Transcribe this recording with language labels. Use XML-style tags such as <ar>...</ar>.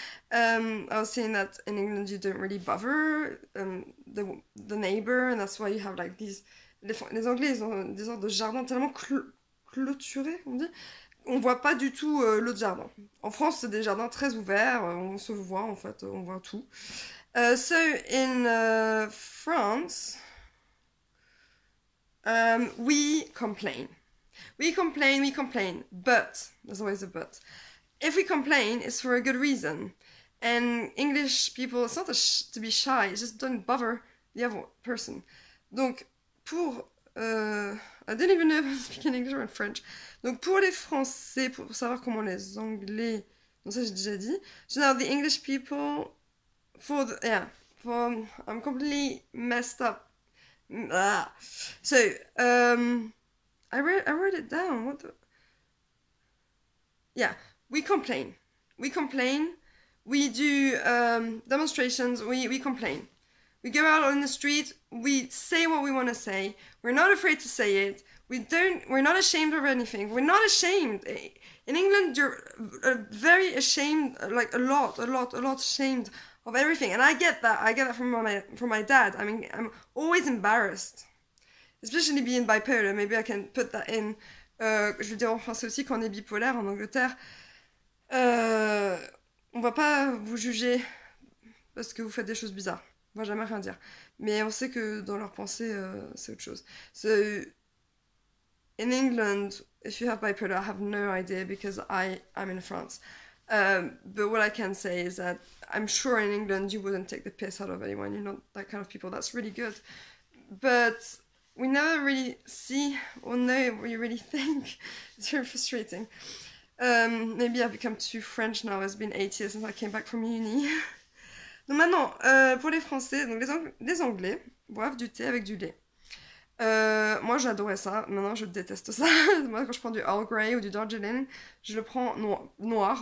<en>I was saying that in England you don't really bother the neighbor, and that's why you have like these...</en> <fr>Les Anglais, ils ont des sortes de jardins tellement clôturés, on dit. On voit pas du tout l'autre jardin. En France, c'est des jardins très ouverts, on se voit en fait, on voit tout.</fr> <en>France, we complain, but, there's always a but. If we complain, it's for a good reason. And English people, it's not to be shy, it's just don't bother the other person.</en> <fr>Donc, pour</fr> <en>I didn't even know if I'm speaking English or in French.</en> <fr>Donc pour les Français, pour savoir comment les Anglais, donc ça j'ai déjà dit.</fr> <en>So now the English people, for the, yeah, for, I'm completely messed up. Blah. So, I wrote it down. What the? Yeah, we complain. We complain. We do demonstrations. We complain. We go out on the street. We say what we want to say. We're not afraid to say it. We don't. We're not ashamed of anything. We're not ashamed. In England, you're very ashamed, like a lot ashamed of everything. And I get that. I get that from my dad. I mean, I'm always embarrassed, especially being bipolar. Maybe I can put that in.</en> <fr>Je veux dire en français aussi qu'on est bipolaire en Angleterre. On va pas vous juger parce que vous faites des choses bizarres. On va jamais rien dire. Mais on sait que dans leur pensée, c'est autre chose.</fr> <en>So, in England, if you have bipolar, I have no idea because I'm in France. But what I can say is that I'm sure in England you wouldn't take the piss out of anyone. You're not that kind of people. That's really good. But we never really see or know what you really think. It's very frustrating. Maybe I've become too French now. It's been 8 years since I came back from uni.</en> <fr>Donc maintenant, pour les Français, donc les Anglais boivent du thé avec du lait. Moi, j'adorais ça. Maintenant, je déteste ça. Moi, quand je prends du Earl Grey ou du Darjeeling, je le prends noir.</fr>